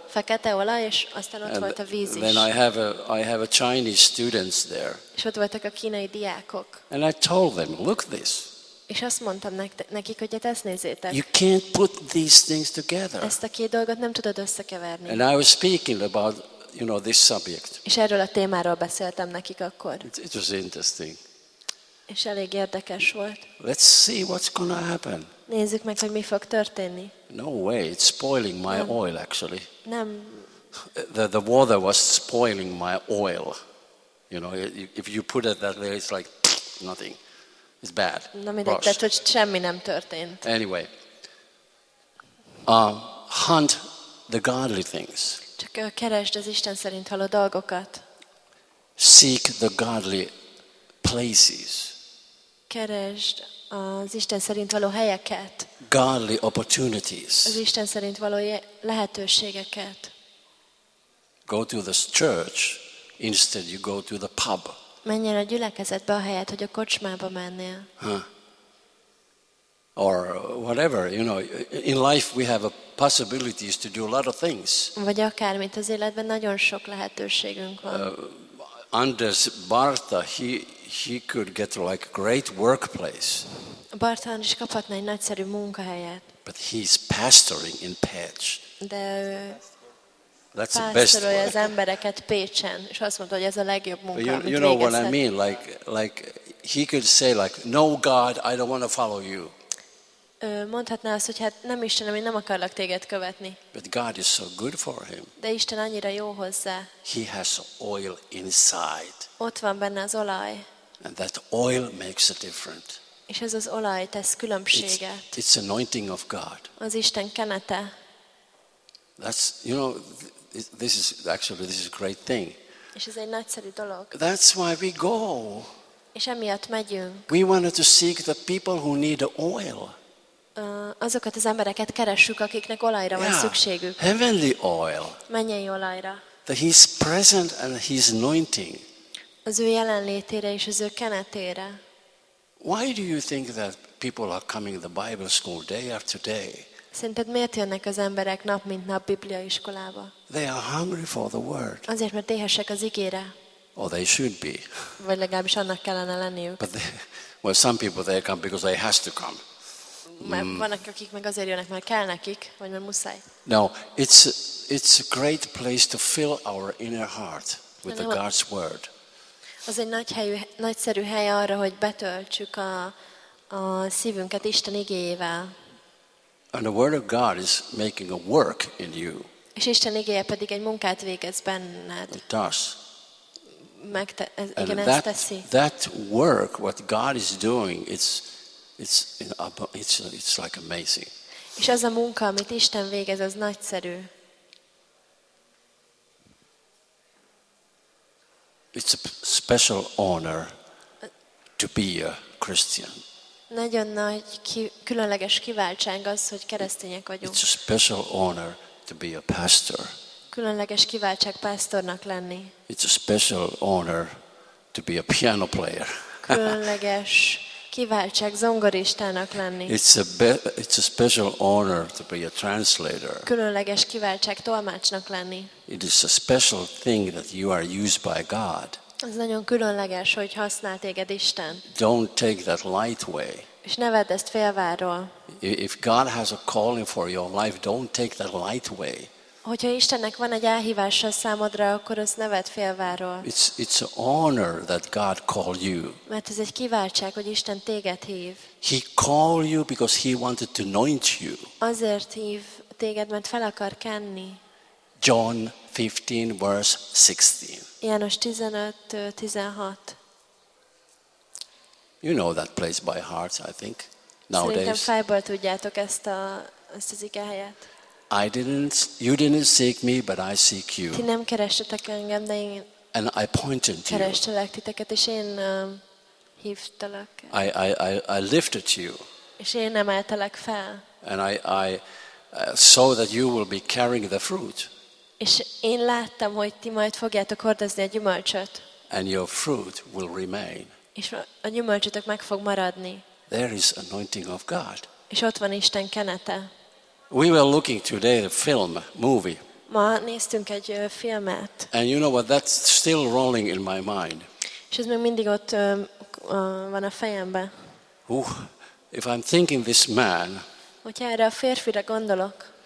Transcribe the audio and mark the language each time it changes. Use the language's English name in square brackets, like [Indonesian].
[Hungarian] Fekete olaj, és aztán ott volt a víz is. [English] Then I have a Chinese students there. [Hungarian] És ott voltak a kínai diákok. [English] And I told them, look this. [Hungarian] És azt mondtam nekik, hogy ezt nézzétek. [English] You can't put these things together. [Hungarian] Ezt a két dolgot nem tudod összekeverni. [English] And I was speaking about, you know, this subject. [Hungarian] És erről a témáról beszéltem nekik akkor. [English] It was interesting. [Hungarian] És elég érdekes volt. [English] Let's see what's going to happen. [Hungarian] Nézzük meg, hogy mi fog történni. [English] No way, it's spoiling my oil actually. [Hungarian] Nem. [English] The water was spoiling my oil. You know, if you put it that way, it's like nothing. It's bad. [Hungarian] Na mindegy, de hogy semmi nem történt. [English] Anyway. Hunt the godly things. [Hungarian] Csak keresd az Isten szerint való dolgokat. [English] Seek the godly places. [Hungarian] Keresd az Isten szerint való helyeket. [English] Godly opportunities. [Hungarian] Az Isten szerint való lehetőségeket. [English] Go to the church instead you go to the pub. [Hungarian] Menjél a gyülekezetbe a helyet, hogy a kocsmába mennél. Huh. [English] Or whatever, you know, in life we have a possibilities to do a lot of things. [Hungarian] Vagy akármit az életben nagyon sok lehetőségünk van. [English] Anders Bartha, he could get like a great workplace. [Hungarian] Bartha is kaphatna egy nagyszerű munkahelyet. [English] But he's pastoring in Pécs. [Hungarian] De [English] that's the best way. [Hungarian] Az embereket Pécsen, és azt mondta, hogy ez a legjobb munka. [English] You know what I mean? Like he could say like, no God, I don't want to follow you. [Hungarian] Mondhatná azt, hogy hát nem Istenem, én nem akarlak téged követni. [English] But God is so good for him. [Hungarian] De Isten annyira jó hozzá. [English] He has oil inside. [Hungarian] Ott van benne az olaj. [English] And that oil makes a difference. [Hungarian] És ez az olaj tesz különbséget. [English] It's anointing of God. [Hungarian] Az Isten kenete. [English] That's, you know, this is a great thing. [Hungarian] És ez egy nagyszerű dolog. [English] That's why we go. [Hungarian] És emiatt megyünk. [English] We wanted to seek the people who need oil. [Hungarian] Azokat az embereket keressük, akiknek olajra van szükségük. [English] Heavenly oil. [Hungarian] Mennyei olajra. [English] That he's present and he's anointing. [Hungarian] Az ő jelenlétére és az ő kenetére. [English] Why do you think that people are coming to the Bible school day after day? [Hungarian] Szerinted miért jönnek az emberek nap mint nap Biblia iskolába? [English] They are hungry for the word. [Hungarian] Azért, mert éhesek az igére. [English] Or they should be. [Hungarian] Vagy legalábbis annak kellene lenniük. [English] But some people they come because they have to come. [Hungarian] Mert vannak, akik meg azért jönnek, mert kell nekik, vagy mert muszáj. [English] No, it's a great place to fill our inner heart with God's word. [Hungarian] Az egy nagyszerű hely arra, hogy betöltsük a szívünket Isten igéjével. [English] And the word of God is making a work in you. [Hungarian] És Isten igéje pedig egy munkát végez benned. [English] It does. [Hungarian] Igen, ezt teszi. [English] That work, what God is doing, it's like amazing. [Hungarian] És az a munka, amit Isten végez, az nagyszerű. [English] It's a special honor to be a Christian. [Hungarian] Nagyon nagy különleges kiváltság az, hogy keresztények vagyunk. [English] It's a special honor to be a pastor. [Hungarian] Különleges kiváltság pásztornak lenni. [English] It's a special honor to be a piano player. [Hungarian] Különleges kiváltság zongoristának lenni. [English] It's a special honor to be a translator. [Hungarian] Különleges kiváltság tolmácsnak lenni. [English] It is a special thing that you are used by God. [Hungarian] Ez nagyon különleges, hogy használ téged Isten. [English] Don't take that lightly. [Hungarian] És ne vedd ezt félváról. [English] If God has a calling for your life, don't take that lightly. [Hungarian] Hogyha Istennek van egy elhívása számodra, akkor azt ne vedd félváról. [English] It's an honor that God called you. [Hungarian] Mert ez egy kiváltság, hogy Isten téged hív. [English] He called you because he wanted to anoint you. [Hungarian] Azért hív téged, mert fel akar kenni. [English] John 15 verse 16. [Hungarian] János 15:16. [English] You know that place by heart, I think. Nowadays. [Hungarian] Szerintem fejből tudjátok ezt az igehelyet. [English] You didn't seek me, but I seek you. [Hungarian] Ti nem kerestetek engem, de én. [English] And I pointed to you. [Hungarian] Kerestelek titeket, és én hívtalak. [English] I lifted you. [Hungarian] És én emeltelek fel. [English] And I saw that you will be carrying the fruit. [Hungarian] És én láttam, hogy ti majd fogjátok hordozni a gyümölcsöt. [English] And your fruit will remain. [Hungarian] És a gyümölcsötök meg fog maradni. [English] There is anointing of God. [Hungarian] És ott van Isten kenete. [English] We were looking today at a film, movie. [Hungarian] Ma néztünk egy filmet. [English] And you know what, that's still rolling in my mind. [Hungarian] És ez még mindig ott van a fejembe. [English] If I'm thinking this man, [Hungarian] hogyha erre a férfire gondolok,